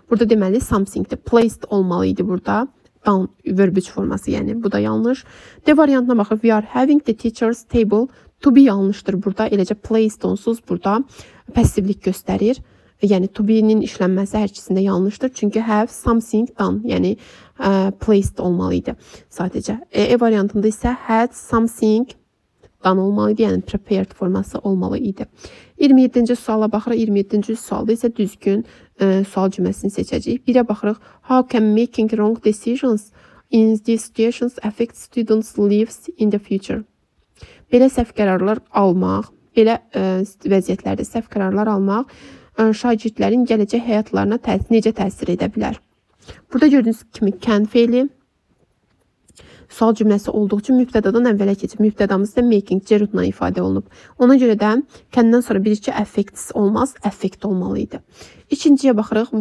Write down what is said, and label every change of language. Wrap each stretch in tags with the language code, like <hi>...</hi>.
<az>Burada deməli something-dir, placed olmalı idi burada. Down, verb 3 forması, yəni bu da yanlış. D variantına baxır,</az> <en>we are having the teacher's table to be</en> <az>yanlışdır burada. Eləcə placed onsuz burada passivlik göstərir. Yəni to be-nin işlənməsi hər ikisində yanlışdır. Çünki</az> <en>have something done,</en> <az>yəni placed olmalı idi sadəcə. E variantında isə</az> <en>had something dan</en> <az>olmalı idi, yəni prepared forması olmalı idi. 27-ci suala baxırıq. 27-ci sualda isə düzgün sual cümləsini seçəcəyik. Birə baxırıq.</az> <en>How can making wrong decisions in these situations affect students' lives in the future?</en> <az>Belə səhv qərarlar almaq, belə vəziyyətlərdə səhv qərarlar almaq şagirdlərin gələcək həyatlarına necə təsir edə bilər? Burada gördüyünüz kimi can feili. Sual cümləsi olduğu üçün mübtədadan əvvələ keçib. Mübtədamız da making, gerundla ifadə olunub. Ona görə də kəndindən sonra bilir ki, affects olmaz, affect olmalı idi. İkinciyə baxırıq.</az>